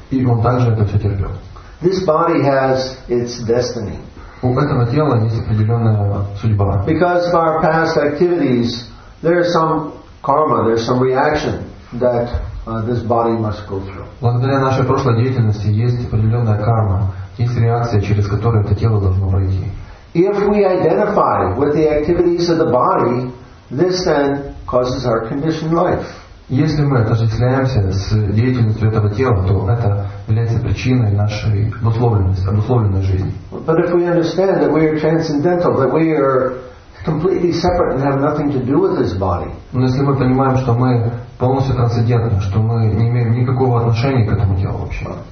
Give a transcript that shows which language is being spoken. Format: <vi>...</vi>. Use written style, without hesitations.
<ru>И он также это все терпел.</ru> <en>This body has its destiny.</en> <ru>У этого тела есть определенная судьба.</ru> <en>Because of our past activities, there is some karma, there is some reaction that this body must go through.</en> <ru>Благодаря нашей прошлой деятельности есть определенная карма, есть реакция, через которую это тело должно пройти.</ru> <en>If we identify with the activities of the body, this then causes our conditioned life.</en> <ru>Если мы отождествляемся с деятельностью этого тела, то это является причиной нашей обусловленности, обусловленной жизни.</ru> <en>But if we understand that we are transcendental, that we are completely separate and have nothing to do with this body.</en> <ru>Но если мы понимаем, что мы полностью трансцендентны, что мы не имеем никакого отношения к этому телу вообще.</ru>